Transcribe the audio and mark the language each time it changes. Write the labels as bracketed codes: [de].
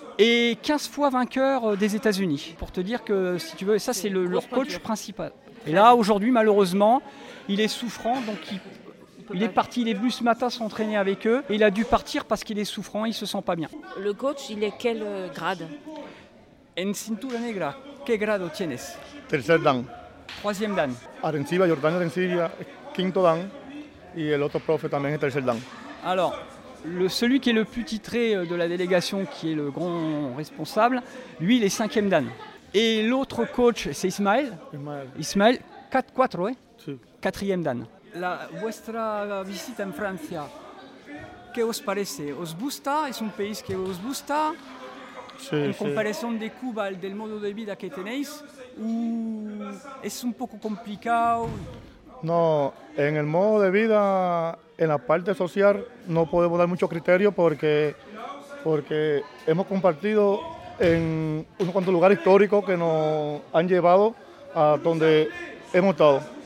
[fr] Et 15 fois vainqueur des États-Unis. Pour te dire que, si tu veux, ça, c'est leur coach principal. Et là, aujourd'hui, malheureusement, il est souffrant, donc il est parti, il est venu ce matin s'entraîner avec eux, et il a dû partir parce qu'il est souffrant, il ne se sent pas bien. Le coach, il est quel grade? [es] En cintura negra, ¿qué grado tienes? Tercer dan. [fr] Troisième dan. [es] Arencibia, Jordán Arencibia, quinto dan, y el otro profe también es tercer dan. [fr] Alors, celui qui est le plus titré de la délégation, qui est le grand responsable, lui, il est cinquième dan. Et l'autre coach, c'est Ismaël, 4-4, oui. Quatrième dan. [es] La vuestra visita en Francia, ¿qué os parece? ¿Os gusta? ¿Es un país que os gusta? Sí, en comparación de Cuba, del modo de vida que tenéis, ¿o es un poco complicado? No, en el modo de vida, en la parte social, no podemos dar mucho criterio porque hemos compartido en unos cuantos lugares históricos que nos han llevado a donde hemos estado.